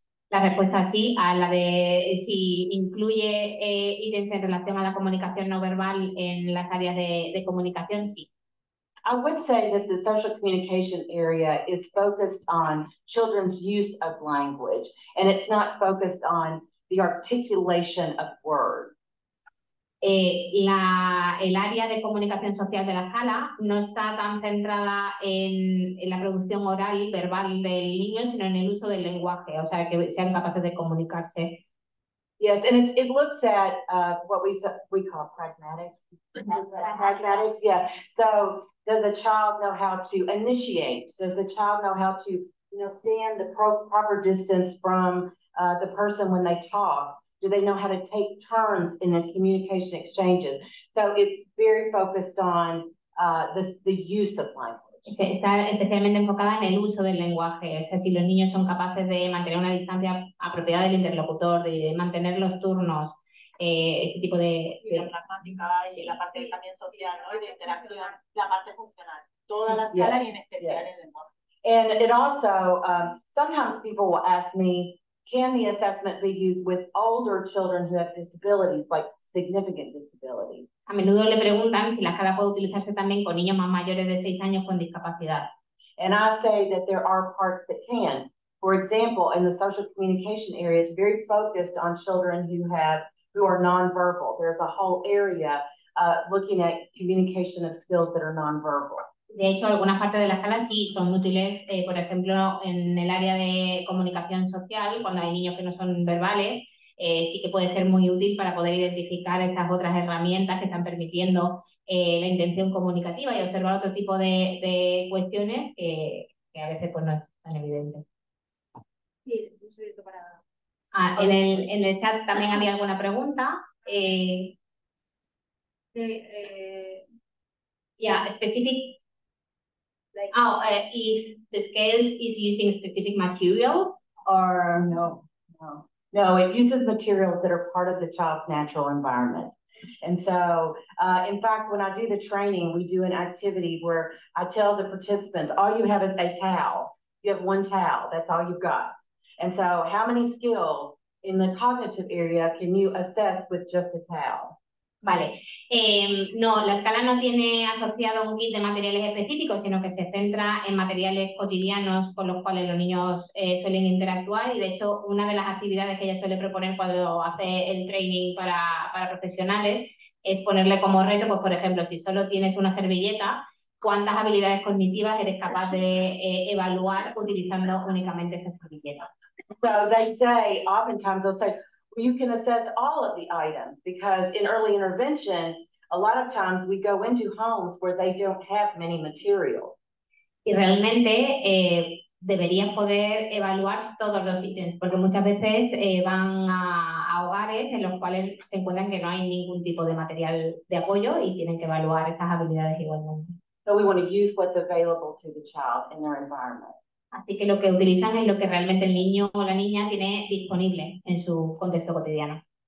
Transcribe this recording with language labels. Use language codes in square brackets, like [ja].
[es] La respuesta sí, a la de si incluye ítems en relación a la comunicación no verbal en las áreas de comunicación, sí. [en] I would say that the social communication area is focused on children's use of language, and it's not focused on the articulation of words. [es] El área de comunicación social de la sala no está tan centrada en la producción oral y verbal del niño, sino en el uso del lenguaje, o sea, que sean capaces de comunicarse. [en] Yes, and it looks at what we call pragmatics. Pragmatics, yeah. So, does a child know how to initiate? Does the child know how to you know, stand the proper distance from the person when they talk? Do they know how to take turns in the communication exchanges? So it's very focused on the use of language. [es] Está especialmente enfocada en el uso del lenguaje, o sea, si los niños son capaces de mantener una distancia apropiada del interlocutor, de mantener los turnos, ese tipo de... Y la pragmática y la parte también social, ¿no? Y de interacción, la parte funcional, toda la escala y en especial el lenguaje. [en] And it also, sometimes people will ask me, can the assessment be used with older children who have disabilities, like significant disabilities? [es] A menudo le preguntan si la escala puede utilizarse también con niños más mayores de 6 años con discapacidad. [en] And I say that there are parts that can. For example, in the social communication area, it's very focused on children who are nonverbal. There's a whole area looking at communication of skills that are nonverbal. [es] De hecho, algunas partes de la escala sí son útiles, por ejemplo, en el área de comunicación social, cuando hay niños que no son verbales. Sí que puede ser muy útil para poder identificar estas otras herramientas que están permitiendo la intención comunicativa y observar otro tipo de cuestiones que a veces pues, no es tan evidente. Sí, un segundo para... En el chat también había alguna pregunta. [en] Specific... Like, oh, if the scale is using specific materials or... No, no. No, it uses materials that are part of the child's natural environment. And so, in fact, when I do the training, we do an activity where I tell the participants, all you have is a towel. You have one towel. That's all you've got. And so how many skills in the cognitive area can you assess with just a towel? [es] Vale. No, la escala no tiene asociado un kit de materiales específicos, sino que se centra en materiales cotidianos con los cuales los niños suelen interactuar. Y de hecho, una de las actividades que ella suele proponer cuando hace el training para profesionales es ponerle como reto, pues por ejemplo, si solo tienes una servilleta, ¿cuántas habilidades cognitivas eres capaz de evaluar utilizando únicamente esa servilleta? [en] So they say, oftentimes they'll say, you can assess all of the items because in early intervention, a lot of times we go into homes where they don't have many materials. [es] Y realmente deberían poder evaluar todos los ítems porque muchas veces van a hogares en los cuales se encuentran que no hay ningún tipo de material de apoyo y tienen que evaluar esas habilidades igualmente. [en] So we want to use what's available to the child in their environment. [es] Así que lo que utilizan es lo que realmente el niño o la niña tiene disponible en su contexto cotidiano.